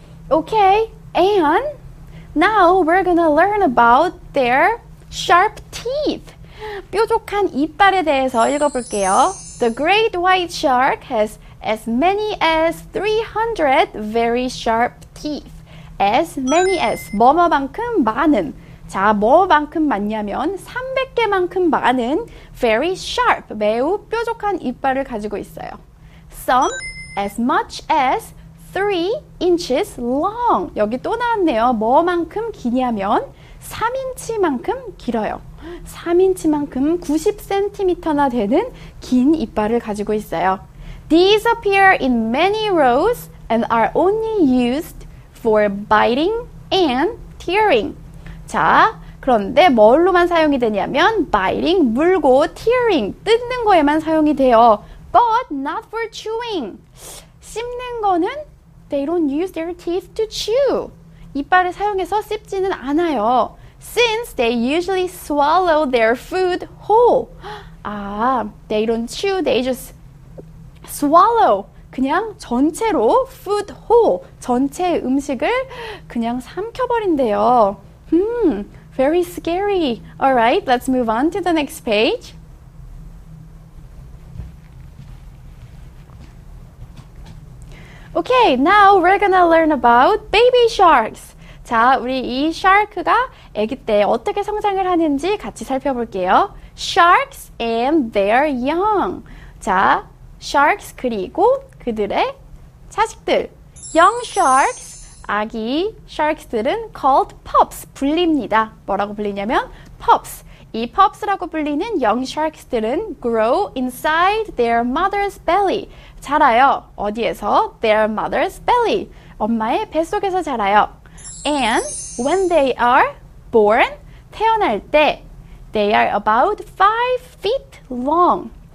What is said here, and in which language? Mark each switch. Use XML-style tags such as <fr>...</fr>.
<en>Okay, and now we're gonna learn about their sharp teeth.</en> <ko>뾰족한 이빨에 대해서 읽어볼게요.</ko> <en>The great white shark has as many as 300 very sharp teeth. As many as,</en> <ko>뭐뭐만큼 많은. 자, 뭐만큼 많냐면 300개만큼 많은</ko> <en>very sharp,</en> <ko>매우 뾰족한 이빨을 가지고 있어요.</ko> <en>Some as much as 3 inches long.</en> <ko>여기 또 나왔네요. 뭐만큼 기냐면 3인치만큼 길어요. 3인치만큼 90cm나 되는 긴 이빨을 가지고 있어요.</ko> <en>These appear in many rows and are only used for biting and tearing.</en> <ko>자, 그런데 뭘로만 사용이 되냐면 biting, 물고, tearing, 뜯는 거에만 사용이 돼요.</ko> <en>But not for chewing.</en> <ko>씹는 거는</ko> <en>They don't use their teeth to chew.</en> <ko>이빨을 사용해서 씹지는 않아요.</ko> <en>Since they usually swallow their food whole. 아, they don't chew. They just swallow.</en> <ko>그냥 전체로</ko> <en>food whole.</en> <ko>전체 음식을 그냥 삼켜버린대요.</ko> <en>Very scary. Alright, let's move on to the next page. Okay, now we're gonna learn about baby sharks.</en> <ko>자, 우리 이 shark가 아기 때 어떻게 성장을 하는지 같이 살펴볼게요.</ko> <en>Sharks and their young. 자, sharks</en> <ko>그리고 그들의 자식들.</ko> <en>Young sharks,</en> <ko>아기 sharks들은</ko> <en>called pups,</en> <ko>불립니다. 뭐라고 불리냐면</ko> <en>pups. 이 pups라고 불리는 young sharks들은 grow inside their mother's belly.</en> <ko>자라요. 어디에서?</ko> <en>Their mother's belly.</en> <ko>엄마의 뱃속에서 자라요.</ko> <en>And when they are born,</en> <ko>태어날 때,</ko> <en>they are about 5 feet long.</en>